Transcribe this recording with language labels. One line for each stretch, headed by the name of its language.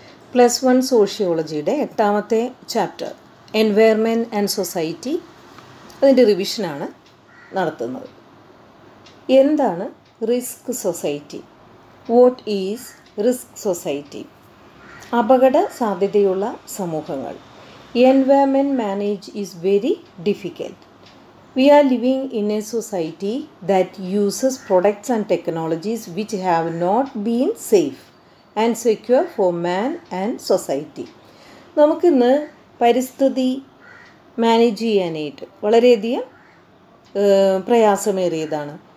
Malayalam: Plus one സോഷ്യോളജിയുടെ 8-ാമത്തെ chapter environment and society, അതിൻ്റെ റിവിഷനാണ് നടത്തുന്നത്. എന്താണ് risk society?
English: What is risk society?
Malayalam: അപകട സാധ്യതയുള്ള സമൂഹങ്ങൾ.
English: Environment manage is very difficult. We are living in a society that uses products and technologies which have not been safe and secure for man and society.
Malayalam: നമുക്കിന്ന് പരിസ്ഥിതി manage ചെയ്യാനായിട്ട് വളരെയധികം പ്രയാസമേറിയതാണ്.